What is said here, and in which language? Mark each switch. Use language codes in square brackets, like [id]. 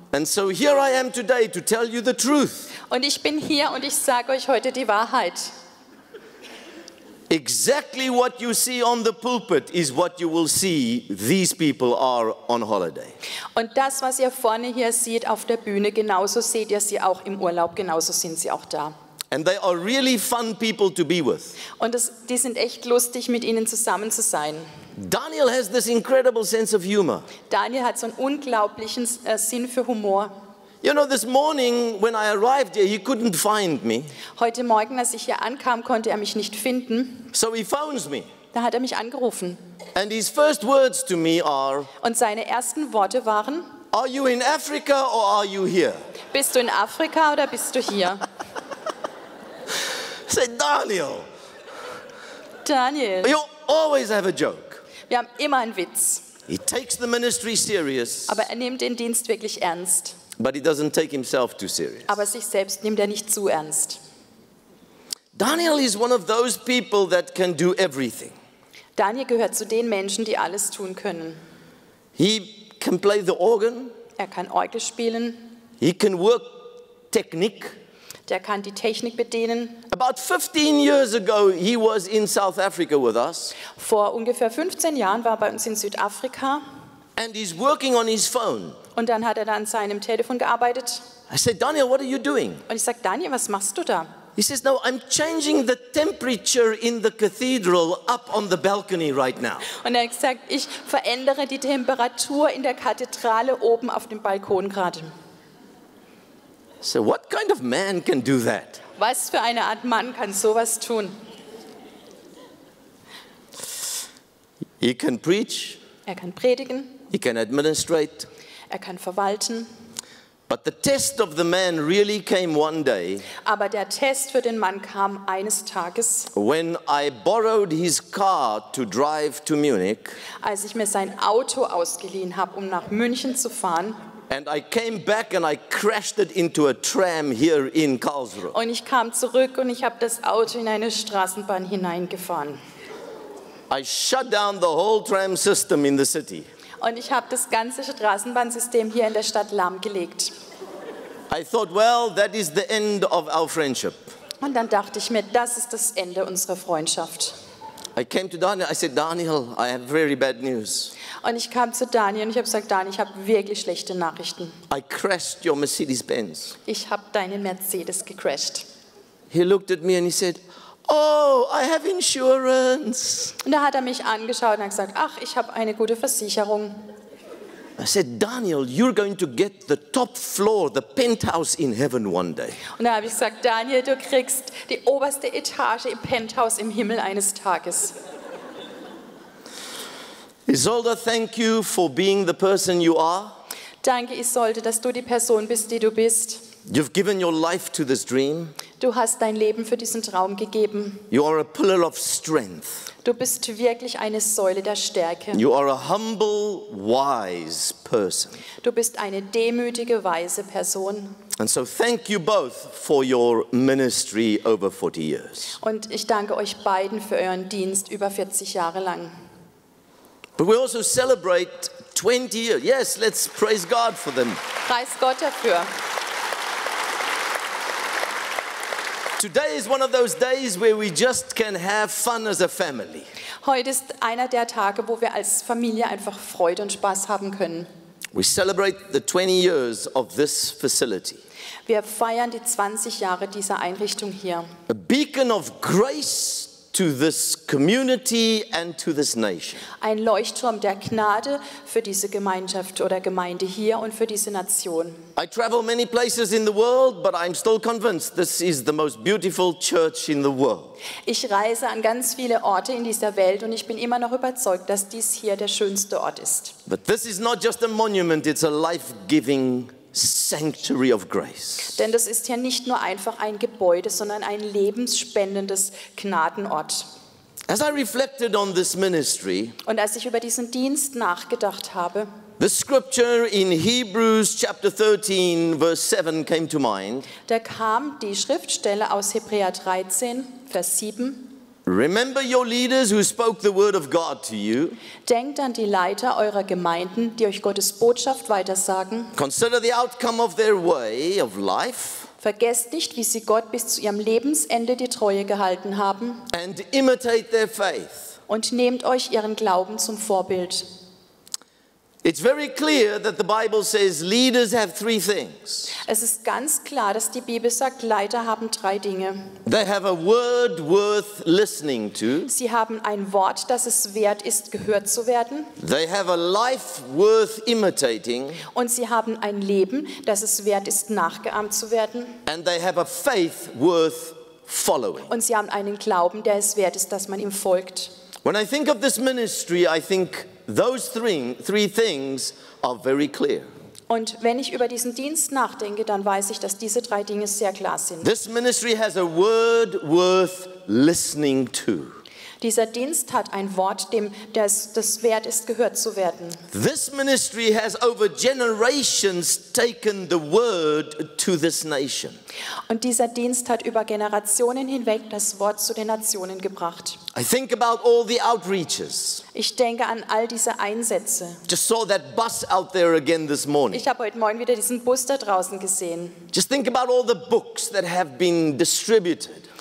[en] And so here I am today to tell you the truth. [de] Und ich bin hier und ich sage euch heute die Wahrheit. [en] Exactly what you see on the pulpit is what you will see these people are on holiday. [de] Und das, was ihr vorne hier seht auf der Bühne, genauso seht ihr sie auch im Urlaub, genauso sind sie auch da. [en] And they are really fun people to be with. [de] Und die sind echt lustig, mit ihnen zusammen zu sein. [en] Daniel has this incredible sense of humor. [de] Daniel hat so einen unglaublichen Sinn für Humor. [en] You know, this morning when I arrived here, he couldn't find me. [de] Heute Morgen, als ich hier ankam, konnte mich nicht finden. [en] So he phones me. [de] Da hat mich angerufen. [en] And his first words to me are. [de] Und seine ersten Worte waren. [en] Are you in Africa or are you here? [de] Bist du in Afrika oder bist du hier? [en] Say, Daniel. [de] Daniel. [en] You always have a joke. [de] Wir haben immer einen Witz. [en] He takes the ministry serious. [de] Aber nimmt den Dienst wirklich ernst. [en] But he doesn't take himself too serious. [de] Aber sich selbst nimmt nicht zu ernst. [en] Daniel is one of those people that can do everything. [de] Daniel gehört zu den Menschen, die alles tun können. [en] He can play the organ. [de] Er kann Orgel spielen. [en] He can work technik. [de] Der kann die Technik bedienen. [en] About 15 years ago he was in South Africa with us. [de] Vor ungefähr 15 Jahren war er bei uns in Südafrika. [en] And he's working on his phone. [de] Und dann hat an seinem Telefon gearbeitet. [en] I said, Daniel, what are you doing? [de] Und ich sag, Daniel, was machst du da? [en] He says, no, I'm changing the temperature in the cathedral up on the balcony right now. [de] Und gesagt, ich verändere die Temperatur in der Kathedrale oben auf dem Balkon gerade. [en] So what kind of man can do that? [de] Was für eine Art Mann kann sowas tun? [en] He can preach. [de] Er kann predigen. [en] He can administrate. [de] Er kann verwalten. [en] But the test of the man really came one day. [de] Aber der Test für den Mann kam eines Tages. [en] When I borrowed his car to drive to Munich. [de] Als ich mir sein Auto ausgeliehen habe, um nach München zu fahren. [en] And I came back and I crashed it into a tram here in Karlsruhe. [de] Und ich kam zurück und ich habe das Auto in eine Straßenbahn hineingefahren. [en] I shut down the whole tram system in the city. [de] Und ich habe das ganze Straßenbahnsystem hier in der Stadt lahmgelegt. [en] I thought, well, that is the end of our friendship. [de] Und dann dachte ich mir, das ist das Ende unserer Freundschaft. [en] I came to Daniel, I said, Daniel, I have very bad news. [de] Und ich kam zu Daniel und ich habe gesagt, Daniel, ich habe wirklich schlechte Nachrichten. [en] I crashed your Mercedes-Benz. [de] Ich habe deinen Mercedes gecrashed. [en] He looked at me and he said, oh, I have insurance. [de] Und da hat er mich angeschaut und hat gesagt, ach, ich habe eine gute Versicherung. [en] I said, Daniel, you're going to get the top floor, the penthouse in heaven one day. [de] Und da habe ich gesagt, Daniel, du kriegst die oberste Etage im Penthouse im Himmel eines Tages. [en] Isolde, thank you for being the person you are. [de] Danke, Isolde, dass du die Person bist, die du bist. [en] You've given your life to this dream. [de] Du hast dein Leben für diesen Traum gegeben. [en] You are a pillar of strength. [de] Du bist wirklich eine Säule der Stärke. [en] You are a humble, wise person. [de] Du bist eine demütige, weise Person. [en] And so thank you both for your ministry over 40 years. [de] Und ich danke euch beiden für euren Dienst über 40 Jahre lang. [en] But we also celebrate 20 years. Yes, let's praise God for them. [de] Preis Gott dafür. [en] Today is one of those days where we just can have fun as a family. [de] Heute ist einer der Tage, wo wir als Familie einfach Freude und Spaß haben können. [en] We celebrate the 20 years of this facility. [de] Wir feiern die 20 Jahre dieser Einrichtung hier. [en] A beacon of grace to this community and to this nation. [de] Ein Leuchtturm der Gnade für diese Gemeinschaft oder Gemeinde hier und für diese Nation. [en] I travel many places in the world, but I'm still convinced this is the most beautiful church in the world. [de] Ich reise an ganz viele Orte in dieser Welt und ich bin immer noch überzeugt, dass dies hier der schönste Ort ist. [en] But this is not just a monument, it's a life-giving sanctuary of grace. [de] Denn das ist hier nicht nur einfach ein Gebäude, sondern ein lebensspendendes Gnadenort. [en] As I reflected on this ministry, [de] und als ich über diesen Dienst nachgedacht habe, [en] the scripture in Hebrews chapter 13 verse 7 came to mind. [de] Da kam die Schriftstelle aus Hebräer 13 Vers 7. [en] Remember your leaders who spoke the word of God to you. [de] Denkt an die Leiter eurer Gemeinden, die euch Gottes Botschaft weitersagen. [en] Consider the outcome of their way of life. [de] Vergesst nicht, wie sie Gott bis zu ihrem Lebensende die Treue gehalten haben. [en] And imitate their faith. [de] Und nehmt euch ihren Glauben zum Vorbild. [en] It's very clear that the Bible says leaders have three things. [de] Es ist ganz klar, dass die Bibel sagt, Leiter haben drei Dinge. [en] They have a word worth listening to. [de] Sie haben ein Wort, das es wert ist, gehört zu werden. [en] They have a life worth imitating. [de] Und sie haben ein Leben, das es wert ist, nachgeahmt zu werden. [en] And they have a faith worth following. [de] Und sie haben einen Glauben, der es wert ist, dass man ihm folgt. [en] When I think of this ministry, I think those three things are very clear. [de] Und wenn ich über diesen Dienst nachdenke, dann weiß ich, dass diese drei Dinge sehr klar sind. [en] This ministry has a word worth listening to. [de] Dieser Dienst hat ein Wort, dem das wert ist, gehört zu werden. [en] This ministry has over generations taken the word to this nation. [de] Und dieser Dienst hat über Generationen hinweg das Wort zu den Nationen gebracht. [en] I think about all the outreaches. [de] Ich denke an all diese Einsätze. [en] Just saw that bus out there again this morning. [de] Ich habe heute Morgen wieder diesen Bus da draußen gesehen. [en] Just think about all the books that have been distributed.